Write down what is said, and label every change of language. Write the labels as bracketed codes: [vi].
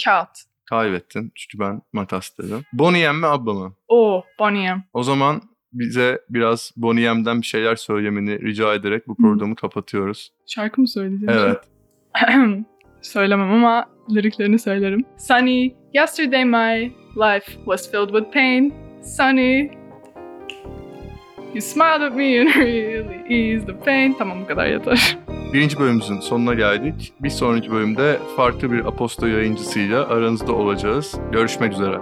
[tr] Kağıt. Kaybettin çünkü ben makas dedim. Bonnie M mi, Abba mı? Oo, Bonnie M. O zaman bize biraz Bonnie M'den bir şeyler söylemeni rica ederek bu programı kapatıyoruz. Şarkı mı söyleyeceğim? Evet. Söylemem ama liriklerini söylerim. [en] Sunny, yesterday my life was filled with pain. Sunny, you smiled at me and really eased the pain. [tr] Tamam, bu kadar yeter. Birinci bölümümüzün sonuna geldik. Bir sonraki bölümde farklı bir Aposto yayıncısıyla aranızda olacağız. Görüşmek üzere.